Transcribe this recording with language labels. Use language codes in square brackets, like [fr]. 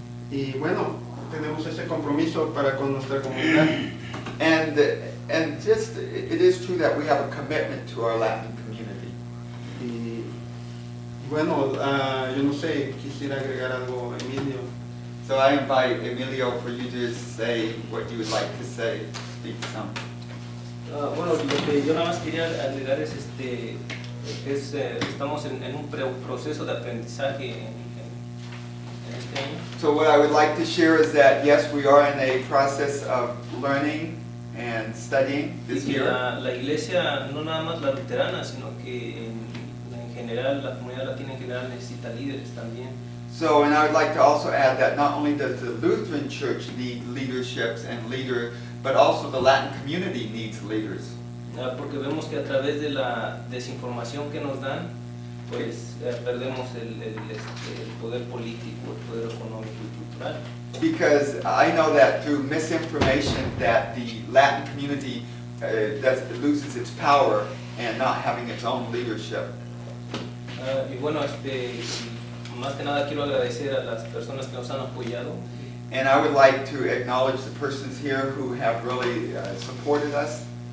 [es] Y bueno, tenemos ese compromiso para con nuestra comunidad. [en] And just, it is true that we have a commitment to our Latin community. [es] Y bueno, yo no sé, quisiera agregar algo, Emilio. [en] So I invite Emilio for you to say what you would like to say, speak some. [es] Bueno, lo que yo nada más quería agregar es estamos en un proceso de aprendizaje en este año. [en] So what I would like to share is that yes, we are in a process of learning and studying this year. [es] La iglesia no nada más la luterana, sino que en general la comunidad latina en general necesita líderes también. [en] So, and I would like to also add that not only does the Lutheran Church need leaderships and leader, but also the Latin community needs leaders. [es] Porque vemos que a través de la desinformación que nos dan, pues perdemos el poder político, el poder económico y cultural. [en] Because I know that through misinformation that the Latin community loses its power and not having its own leadership. [es] Y bueno, más que nada quiero agradecer a las personas que nos han apoyado. [en] And I would like to acknowledge the persons here who have really supported us.